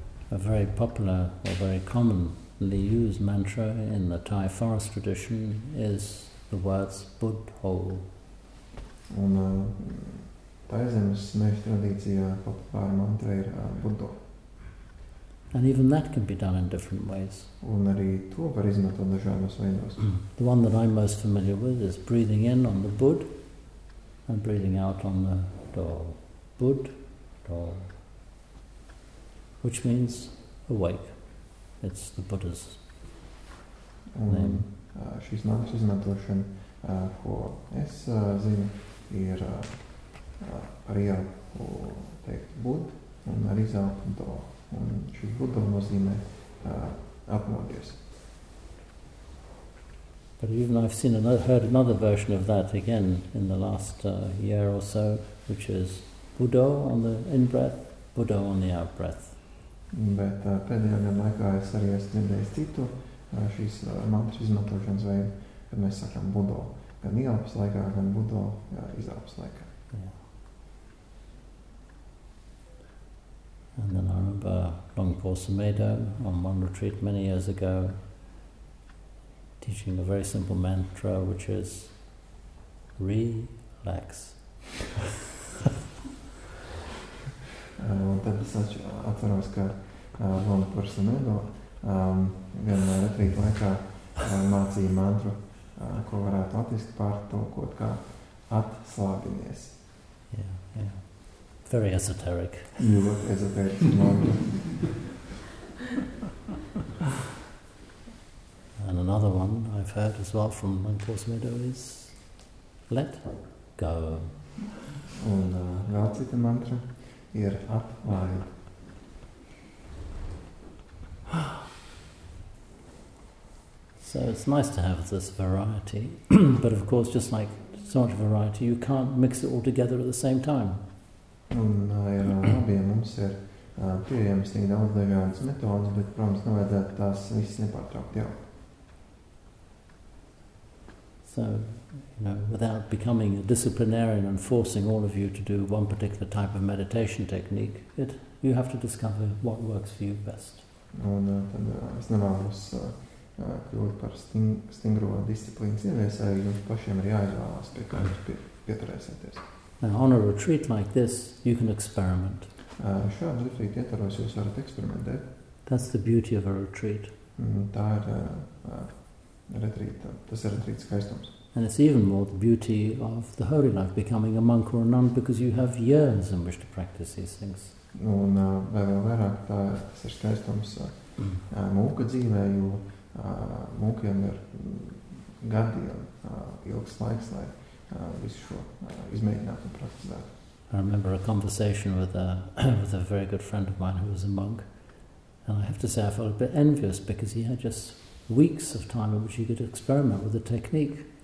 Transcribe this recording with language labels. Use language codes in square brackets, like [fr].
[en] A very popular or very commonly used mantra in the Thai forest tradition is the words Buddho. [lv] Un Thai zemes mēs tradīcijā populāra mantra ir Buddho. [en] And even that can be done in different ways. [lv] Un arī to var izmantot dažādos veidos. [en] The one that I'm most familiar with is breathing in on the Bud and breathing out on the Do. Bud, Do. Which means awake. It's the Buddha's name. [lv] Šīs mantras izmantošana, ko es zinu, ir par ielpu teikt Bud, un ar izelpu to. Un šis Buddha nozīmē apmodies. [en] But even I've seen another, heard another version of that again in the last year or so, which is Buddha on the in-breath, Buddha on the out-breath. [lv] Bet pēdējā gada laikā es arī esmu dzirdējis citu šīs mantras izmantošanas veidu, kad mēs sakām Buddho, gan ielpas laikā, gan Buddho izelpas laikā. [en] Yeah. And then I remember Longpo Sumedho on one retreat many years ago, teaching a very simple mantra, which is relax. [lv] Un tad es atceros, ka Lona Pursamedo vienmēr retrīta laikā mācīja mantru, ko varētu attiest par to, ko kā atslābinies. [en] Yeah, yeah. Very esoteric. You look esoteric mantra. And another one I've heard as well from Lona Pursamedo is let go. [lv] Un vēl cita mantra ir atlaid. [en] So it's nice to have this variety, but of course, just like so much variety, you can't mix it all together at the same time. [lv] Un abiem mums ir pieejams tik daudz dažādas metodes, bet, protams, nevajadzētu tās visas nepārtraukt jau. [en] So, you know, without becoming a disciplinarian and forcing all of you to do one particular type of meditation technique, you have to discover what works for you best. [lv] Un tad es nevēlos kļūt par stingro disciplīnas ieviesēju, jums pašiem ir jāizvēlās, pie kā jūs pieturēsieties. [en] Now, on a retreat like this, you can experiment. [lv] Šādas retrīta ietvaros jūs varat eksperimentēt. [en] That's the beauty of a retreat. [lv] Tā ir retrīta, tas ir retrīta skaistums. [en] And it's even more the beauty of the holy life, becoming a monk or a nun, because you have years in which to practice these things. [lv] Un vēl vairāk tā ir, tas ir skaistums mūka dzīvē, jo mūkiem ir gadiem ilgs laiks, lai visu šo izmēģinātu un praktizētu. [en] I remember a conversation with a very good friend of mine who was a monk, and I have to say I felt a bit envious because he had just weeks of time in which he could experiment with the technique.